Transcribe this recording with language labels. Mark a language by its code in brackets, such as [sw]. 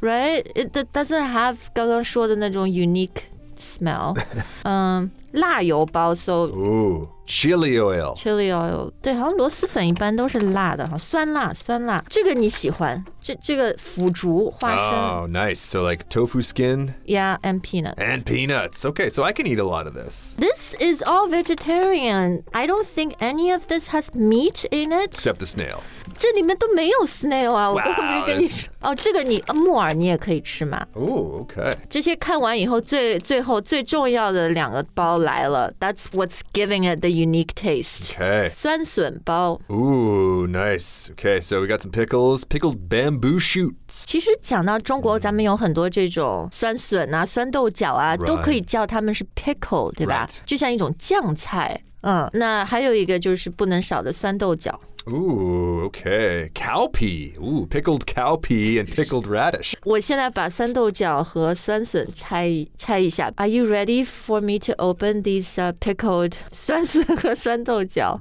[en] Right? It doesn't have [zh] 刚刚说的那种 [en] unique... smell. [zh] 辣油包 so... [en] Ooh, chili oil. Chili oil. [zh] 对好像螺丝粉一般都是辣的酸辣酸辣。这个你喜欢这个腐竹花生。 [en] Oh, nice. So like tofu skin? Yeah, and peanuts. And peanuts. Okay, so I can eat a lot of this. This is all vegetarian. I don't think any of this has meat in it. Except the snail. [zh] 这里面都没有 snail 啊 [en] wow, [zh] 我都不会跟你吃。哦这个你木耳你也可以吃嘛。 [en] Ooh, okay. [zh] 这些看完以后最后最重要的两个包来了。 [en] That's what's giving it the unique taste. Okay. [zh] 酸笋包。 [en] Ooh, nice. Okay, so we got some pickles. Pickled bamboo shoots. [zh] 其实讲到中国咱们有很多这种酸笋啊酸豆角啊、 [en] right. [zh] 都可以叫它们是 pickle, 对吧、 [en] right. [zh] 就像一种酱菜。那还有一个就是不能少的酸豆角。 [en] Ooh, okay. Cowpea. Ooh, pickled cowpea and pickled radish. [zh] 我现在把酸豆角和酸笋拆一下。 [en] Are you ready for me to open these pickled [zh] 酸笋和酸豆角?